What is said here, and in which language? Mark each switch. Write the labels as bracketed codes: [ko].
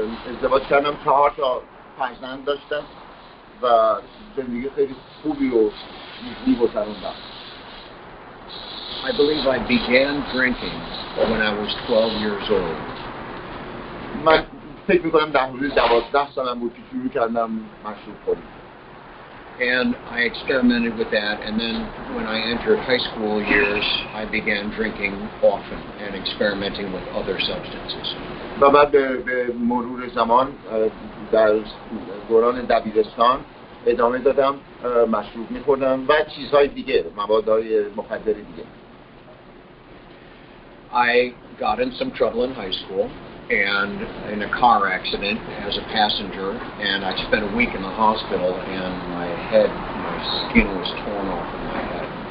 [fa] ازدواج کردم، 4 تا 5 نفر داشتم و زندگی خیلی خوبی رو می‌گذروندم. [en] I believe I began drinking when I was 12 years old. [fa] من فکر می‌کنم در حدود 12 سالم بود که شروع کردم مشروب خوردن. [en] And I experimented with that and then when I entered high school years I began drinking often and experimenting with other substances. [fa] و بعد به مرور زمان در دوران دبیرستان ادامه دادم مشروب می‌خوردم و چیزهای دیگه، موادهای مخدر دیگه. [en] I got in some trouble in high school and in a car accident as a passenger and I spent a week in the hospital and my head, my skin was torn off of my head.